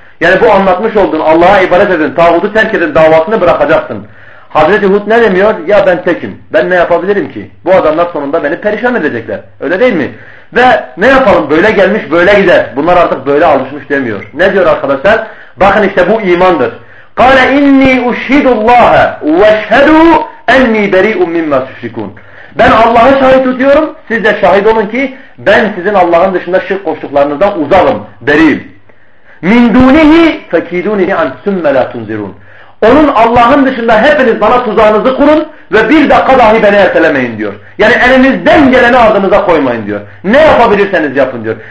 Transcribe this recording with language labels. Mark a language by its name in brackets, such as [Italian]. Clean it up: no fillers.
[Turkish] Yani bu anlatmış olduğun Allah'a ibadet edin, tağutu terk edin, davasını bırakacaksın. Hazreti Hud ne demiyor? Ya ben tekim. Ben ne yapabilirim ki? Bu adamlar sonunda beni perişan edecekler. Öyle değil mi? Ve ne yapalım? Böyle gelmiş, böyle gider. Bunlar artık böyle alışmış demiyor. Ne diyor arkadaşlar? Bakın işte bu imandır. [Arabic] قَالَ اِنِّي اُشْهِدُ اللّٰهَ وَاَشْهَدُوا اَنِّي بَرِيءٌ مِّمَّا تُشْرِكُونَ [Turkish] Ben Allah'a şahit tutuyorum. Siz de şahit olun ki ben sizin Allah'ın dışında şirk koştuklarınızdan uzağım, beriyim. [Arabic] مِنْ دُونِهِ فَكِيدُونِهِ عَنْ سُمَّ لَا تُنْزِرُونَ [Turkish] Onun Allah'ın dışında hepiniz bana tuzağınızı kurun ve bir dakika dahi beni ertelemeyin diyor. Yani elinizden geleni ardınıza koymayın diyor. Ne yapabilirseniz yapın diyor.